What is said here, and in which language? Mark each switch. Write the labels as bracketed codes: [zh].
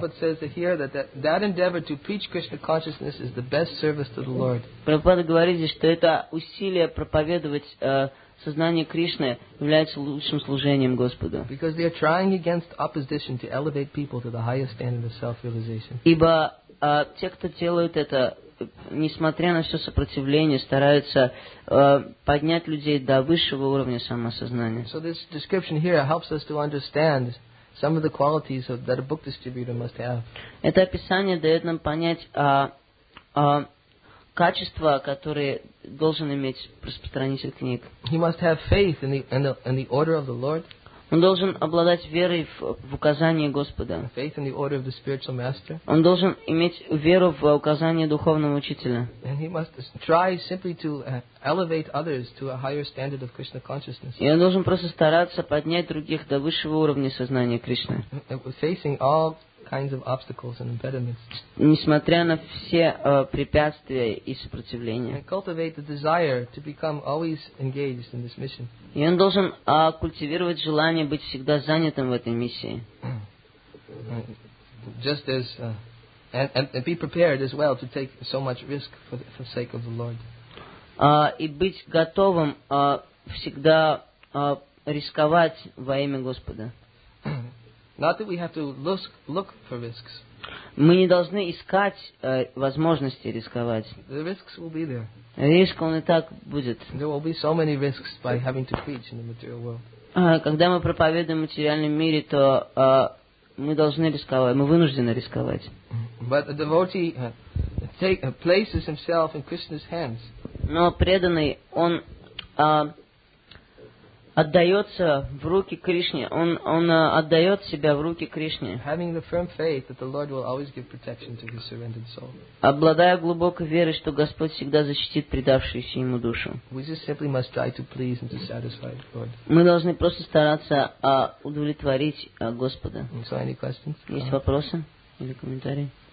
[en] Prabhupada says here that endeavor to preach Krishna consciousness is the best service to the Lord. [ru] Prabhupada говорит здесь, что это усилие проповедовать сознание Кришны является лучшим служением Господу. [en] Because they are trying against opposition to elevate people to the highest standard of self-realization. [ru] Ибо те, кто делают это, несмотря на все сопротивление, стараются поднять людей до высшего уровня самосознания. [en] So this description here helps us to understand some of the qualities that a book distributor must have. [ru] Это описание дает нам понять качества, которые должен иметь распространитель книг. [en] He must have faith in the order of the Lord. [ru] Он должен обладать верой в указание Господа. [en] Faith in the order of the spiritual master. [ru] Он должен иметь веру в указание духовного учителя. [en] And he must try simply to elevate others to a higher standard of Krishna consciousness. [ru] И он должен просто стараться поднять других до высшего уровня сознания Кришны. [en] Facing all kinds of obstacles and impediments. [ru] Несмотря на все препятствия и сопротивления. [en] And cultivate the desire to become always engaged in this mission. [ru] И он должен культивировать желание быть всегда занятым в этой миссии. [en] Just as and be prepared as well to take so much risk for the sake of the Lord. [ru] И быть готовым всегда рисковать во имя Господа. [en] Not that we have to look for risks. [ru] Мы не должны искать возможности рисковать. [en] The risks will be there. [ru] Риск он и так будет. [en] There will be so many risks by having to preach in the material world. [ru] Когда мы проповедуем в материальном мире, то мы должны рисковать, мы вынуждены рисковать. [en] But a devotee places himself in Krishna's hands. [ru] Но преданный, он отдается в руки Кришне. Он отдает себя в руки Кришне. [en] Having the firm faith that the Lord will always give protection to his surrendered soul. [ru] Обладая глубокой верой, что Господь всегда защитит предавшуюся ему душу. [en] We just simply must try to please and to satisfy the Lord. [ru] Мы должны просто стараться удовлетворить Господа. [en] So any questions? [ru] Есть вопросы или комментарии?